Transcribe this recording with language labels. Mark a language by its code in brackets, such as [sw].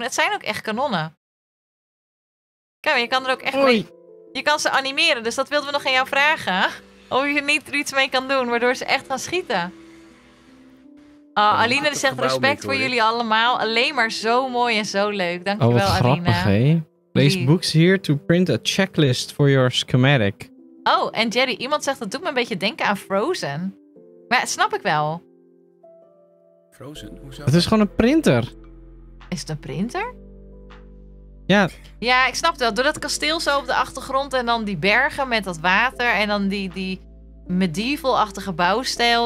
[nl] Het zijn ook echt kanonnen. Kijk, maar je kan er ook echt... Je kan ze animeren, dus dat wilden we nog aan jou vragen. Of je er niet iets mee kan doen, waardoor ze echt gaan schieten. Oh, Aline zegt respect voor jullie allemaal. Alleen maar zo mooi en zo leuk. Dankjewel, Aline. Oh, wat grappig, hè? [en] Place books here to print a checklist for your schematic. [nl] Oh, en Jerry, iemand zegt dat doet me een beetje denken aan Frozen. Maar snap ik wel. Frozen? Hoezo? Het is gewoon een printer. Is het een printer? Ja. Ja, ik snap het wel. Door dat kasteel zo op de achtergrond en dan die bergen met dat water en dan die medieval-achtige bouwstijl.